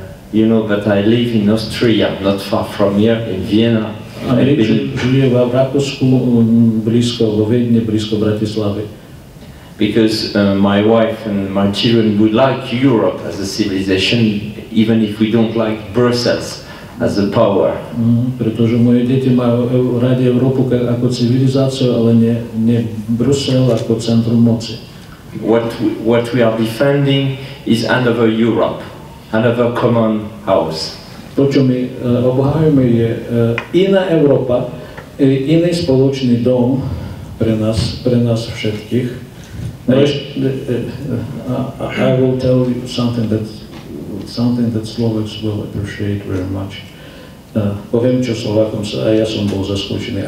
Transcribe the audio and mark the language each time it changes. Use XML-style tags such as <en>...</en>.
<en>You know that I live in Austria, not far from here, in Vienna.</en> <sk>Žije v Rakúsku, blízko vo Viedne, blízko Bratislavy.</sk> <en>Because my wife and my children would like Europe as a civilization, even if we don't like Brussels as a power.</en> <sk>Pretože moje deti majú radi Európu ako civilizáciu, ale nie Brusel ako centrum moci.</sk> <en>What we are defending is another Europe, another common house.</en> <sk>To, čo my obhájame, je iná Európa, iný spoločný dom pre nás všetkých.</sk> <en>I will tell you something that Slovaks will appreciate very much.</en> <sk>Poviem, čo Slovakom sa, a ja som bol zaskočený.</sk>